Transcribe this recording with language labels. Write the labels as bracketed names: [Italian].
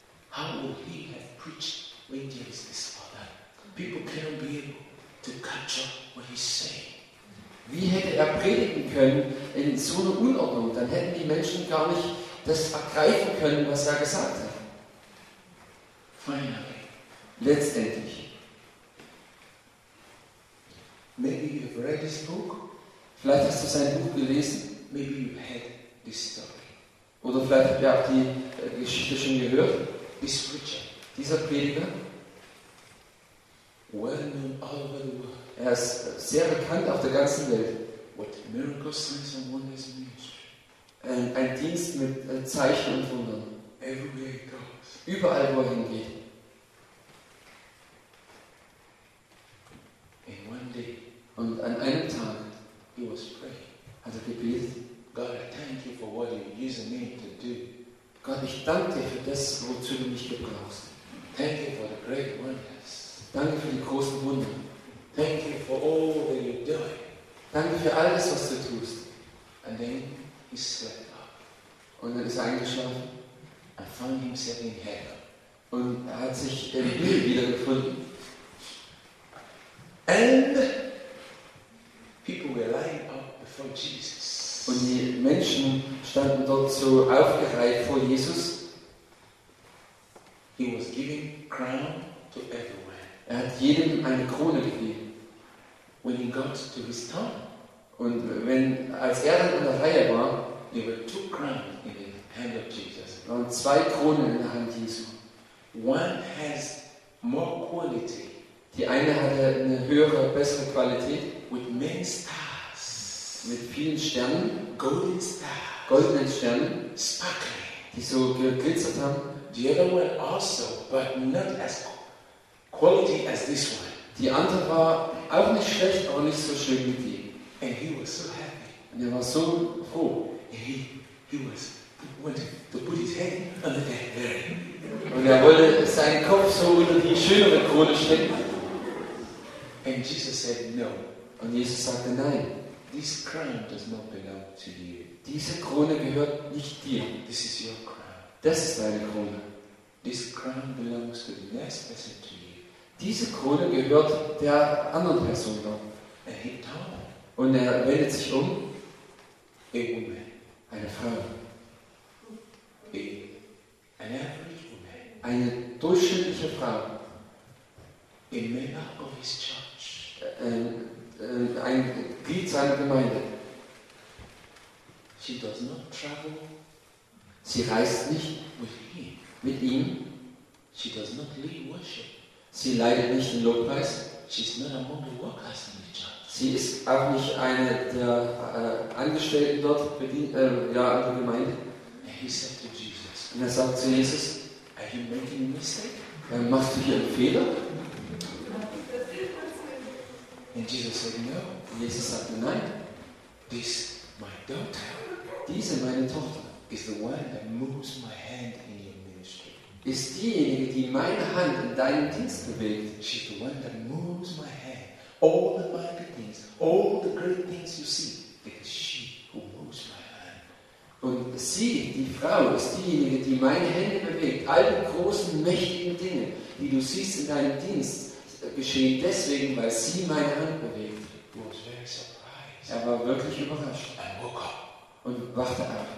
[English] How will he have preached when there is this father? People cannot be able to catch up what he's saying. [German] Wie hätte er predigen können in so einer Unordnung? Dann hätten die Menschen gar nicht das ergreifen können, was er gesagt hat. [English] Finally. [German] Letztendlich. [English] Maybe you have read this book. [German] Vielleicht hast du sein Buch gelesen. [English] Maybe you had this story. [German] Oder vielleicht habt ihr auch die Geschichte schon gehört. [English] This preacher. [German] Dieser Prediger. [English] Well known all over the world. [German] Er ist sehr bekannt auf der ganzen Welt. [English] What miracles, signs and wonders in each. [German] Ein Dienst mit Zeichen und Wundern. [English] Everywhere he goes. [German] Überall, wo er hingeht. [English] In one day. [German] Und an einem Tag. [English] He was praying. [German] Hat er gebetet. [English] God, I thank you for what you're using me to do. [German] Gott, ich danke dir für das, wozu du mich gebrauchst. [English] Thank you for the great wonders. [German] Danke für die großen Wunder. [English] Thank you for all that you're doing. [German] Danke für alles, was du tust. [English] And then he slept up. [German] Und dann ist er eingeschlafen. [English] And found himself in hell. [German] Und er hat sich im Himmel wiedergefunden. [English] And people were lying up before Jesus. [German] Und die Menschen standen dort so aufgereiht vor Jesus. [English] He was giving crown to everyone. [German] Er hat jedem eine Krone gegeben. [English] When he got to his town. [German] Und als er dann in der Reihe war, [English] there were two crowns in the hand of Jesus. [German] Waren zwei Kronen in der Hand Jesu. [English] One has more quality. [German] Die eine hatte eine höhere, bessere Qualität. [English] With many stars. [German] Mit vielen Sternen. [English] Golden stars. [German] Goldenen Sternen. [English] Sparkling. [German] Die so geglitzert haben. [English] The other one also, but not as quality as this one. [German] Die andere war auch nicht schlecht, aber nicht so schön wie die. [English] And he was so happy. [German] Und er war so froh. [English] He was wanted to put his head under the very. [German] Und er wollte seinen Kopf so unter die schönere Krone stecken. [English] And Jesus said no. [German] Und Jesus sagte nein. [English] This crown does not belong to you. [German] Diese Krone gehört nicht dir. [English] This is your crown. [German] Das ist deine Krone. [English] This crown belongs to the next person to you. [German] Diese Krone gehört der anderen Person noch. [English] And he turned. [German] Und er wendet sich um. [English] A woman. [German] Eine Frau. [English] An average woman. [German] Eine durchschnittliche Frau. [English] A member of his church. [German] Ein Glied seiner Gemeinde. [English] She does not travel. [German] Sie reist nicht mit ihm. [English] She does not lead worship. [German] Sie leidet nicht den Lobpreis. [English] She's not among the workers in the church. [German] Sie ist auch nicht eine der Angestellten dort an der Gemeinde. [English] And he said to Jesus, [German] und er sagt zu Jesus, [English] are you making a mistake? [German] Machst du hier einen Fehler? [English] And Jesus said no. [German] Jesus sagte nein. [English] This my daughter. [German] Diese meine Tochter. [English] Is the one that moves my hand in your ministry. [German] Ist diejenige, die meine Hand in deinem Dienst bewegt. [English] She's the one that moves my hand. All the mighty things, all the great things you see, it is she who moves my hand. [German] Und sie, die Frau, ist diejenige, die meine Hände bewegt. All die großen, mächtigen Dinge, die du siehst in deinem Dienst. Geschehen deswegen, weil sie meine Hand bewegt. [English] Was very surprised. [German] Er war wirklich überrascht. [English] I woke up. [German] Und wachte auf.